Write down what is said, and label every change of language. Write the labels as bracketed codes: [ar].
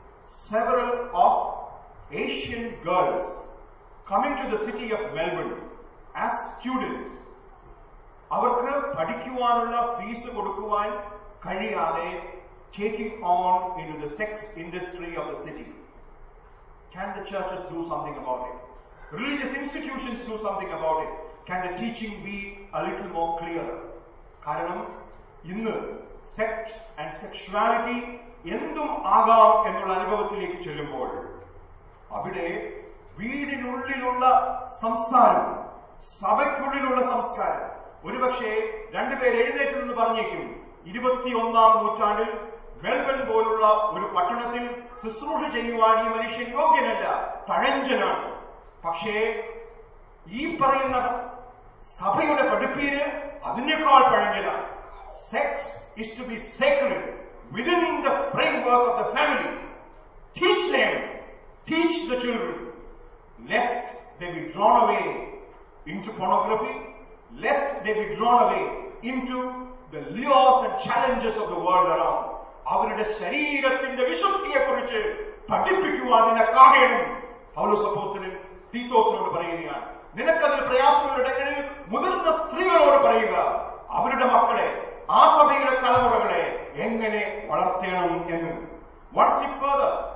[en] Several of Asian girls coming to the city of Melbourne as students, avarku padikkuvanulla fees kodukkuvan kaniyade taking on into the sex industry of the city. Can the churches do something about it? Religious institutions do something about it? Can the teaching be a little more clear? [ml] Karanam innu sex and sexuality endum aagam ennulla anubhavathilekku chellumbol അവിടെ വീടിനുള്ളിലുള്ള സംസ്കാരം, സഭയ്ക്കുള്ളിലുള്ള സംസ്കാരം, ഒരുപക്ഷെ രണ്ടുപേരെ എഴുന്നേറ്റ് നിന്ന് പറഞ്ഞേക്കും, 21st century Melbourne പോലുള്ള ഒരു പട്ടണത്തിൽ ശുശ്രൂഷ ചെയ്യുവാൻ ഈ മനുഷ്യൻ യോഗ്യനല്ല, തഴഞ്ചനാണ്. പക്ഷേ ഈ പറയുന്ന സഭയുടെ പഠിപ്പീര് അതിനേക്കാൾ പഴഞ്ചനാണ്. [en] Sex is to be sacred within the framework of the family. Teach them. Teach the children, lest they be drawn away into pornography, lest they be drawn away into the lures and challenges of the world around. [ml] അവരുടെ ശരീരത്തിന്റെ വിശുദ്ധിയെ കുറിച്ച് പഠിപ്പിക്കുവാൻ നിനക്ക് കാണണം. പൗലോസ് അപ്പോസ്തലൻ തീത്തോസിനോട് പറയുകയാണ്, നിനക്കതിൽ പ്രയാസമുള്ളിടങ്ങളിൽ മുതിർന്ന സ്ത്രീകളോട് പറയുക, അവരുടെ മക്കളെ, ആ സഭയുടെ തലമുറകളെ എങ്ങനെ വളർത്തണം എന്ന്. What's the further?